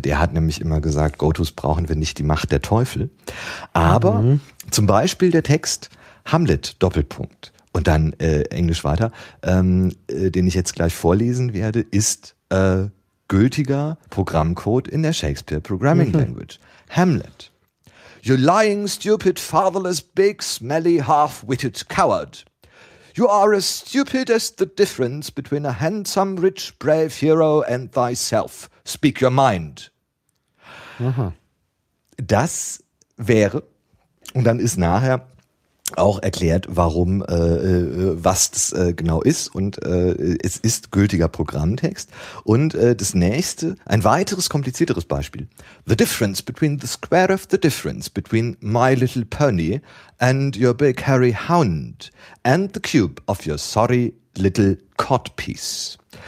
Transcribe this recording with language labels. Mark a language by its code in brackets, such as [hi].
[de] Der hat nämlich immer gesagt, Go-Tos brauchen wir nicht, die Macht der Teufel. Aber zum Beispiel der Text Hamlet, Doppelpunkt, und dann Englisch weiter, den ich jetzt gleich vorlesen werde, ist gültiger Programmcode in der Shakespeare Programming Language. [en] Hamlet. You lying, stupid, fatherless, big, smelly, half-witted coward. You are as stupid as the difference between a handsome, rich, brave hero and thyself. Speak your mind. Aha. [de] Das wäre, und dann ist nachher auch erklärt, warum, was das genau ist. Und es ist gültiger Programmtext. Und das nächste, ein weiteres komplizierteres Beispiel. [en] The difference between the square of the difference between my little pony and your big hairy hound and the cube of your sorry little codpiece.